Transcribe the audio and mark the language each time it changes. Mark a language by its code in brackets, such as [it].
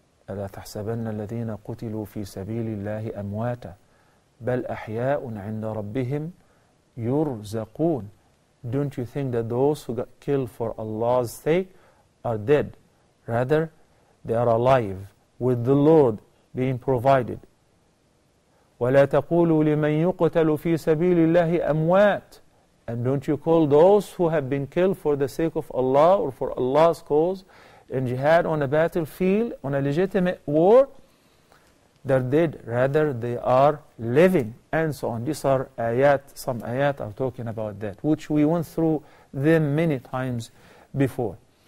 [ar] ألا تحسبن الذين قتلوا في سبيل الله أمواتا بل أحياء عند ربهم يرزقون. [en] Don't you think that those who got killed for Allah's sake are dead? Rather, they are alive with the Lord being provided. [ar] ولا تقولوا لمن يقتل في سبيل الله أموات. [en] And don't you call those who have been killed for the sake of Allah or for Allah's cause in jihad on a battlefield, on a legitimate war, they're dead. Rather, they are living, and so on. These are ayat, some ayat are talking about that, which we went through them many times before.